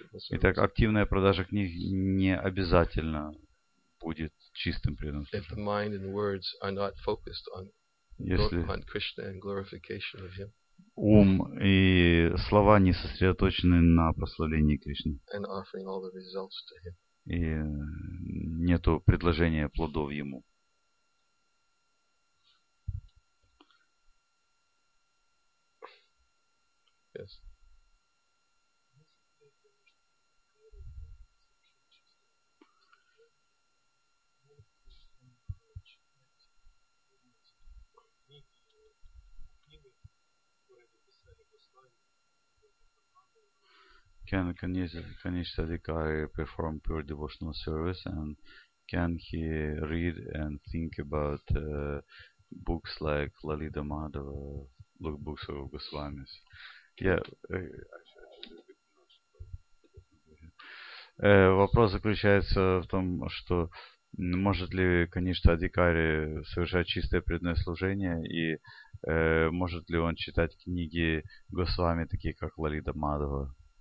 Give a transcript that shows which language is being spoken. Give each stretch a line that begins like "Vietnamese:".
Russian: Итак, активная продажа книг не обязательно будет чистым преданным служением.
English: If the mind and words are not focused on Krishna and glorification of Him.
Russian: Ум и слова не сосредоточены на прославлении Кришны.
English: And offering all the results to Him.
Russian: И нету предложения плодов Ему.
English: Yes. Can Kanishadhikari perform pure devotional service, and can he read and think about books like Lalita Madhava, books of Goswamis?
Russian: Вопрос заключается в том, что может ли Kanishadhikari совершать чистое преданное служение, и может ли он читать книги Госвами, такие как Лалита Мадхава?